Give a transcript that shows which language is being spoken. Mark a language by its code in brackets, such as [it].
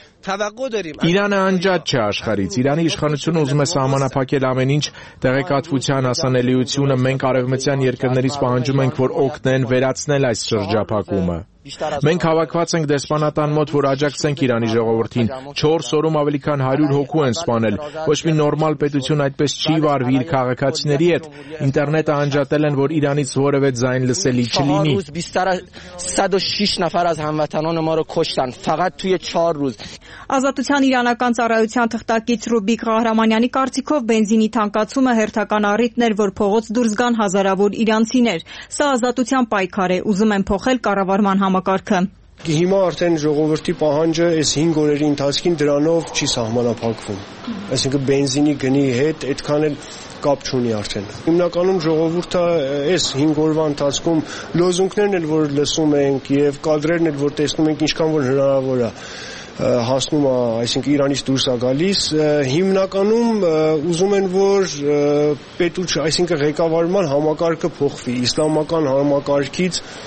[hy] Իրանը անջատ չէ աշխարից։ Իրանի իշխանությունը ուզում է սահմանափակել ամեն ինչ տեղեկատվության հասանելիությունը։ Մենք արևմտյան երկրներից պահանջում ենք, որ օգնեն վերացնել այս շրջափակումը։ Մենք հավաքված ենք դեսպանատան մոտ, որ աջակցենք Իրանի ժողովրդին։ 4 օրում ավելի քան 100 հոգու են սպանել։ Ոչ մի նորմալ պետություն այդպես չի վարվի իր քաղաքացիների հետ։ Ինտերնետը անջատել են, որ Իրանից որևէ ձայն լսելի չլինի։ [fa] 106 նفر از هموطنان ما رو کشتن فقط توی 4 روز։ [hy] Ազատության իրանական ծառայության թղթակից Ռուբիկ Ղահրամանյանի կարծիքով բենզինի թանկացումը հերթական առիթն էր, որ փողոց դուրս գան հազարավոր իրանցիներ։ Սա ազատության պայքար է, ուզում են փոխել կառավարման համակարգը։ Հիմա արդեն ժողովրդի պահանջը այս 5 օրերի ընթացքում դրանով չի սահմանափակվում։ Այսինքն բենզինի գնի հետ այդքան էլ կապ չունի արդեն։ Հիմնականում ժողովուրդը այս 5 օրվա ընթացքում լոզունգներն էլ որ լսում ենք եւ կադրերն էլ որ տեսնում ենք ինչքան որ հնարավոր է հասնում է, այսինքն Իրանից դուրս է գալիս, հիմնականում ուզում են, որ պետուչ, այսինքն ղեկավարման համակարգը փոխվի իսլամական համակարգից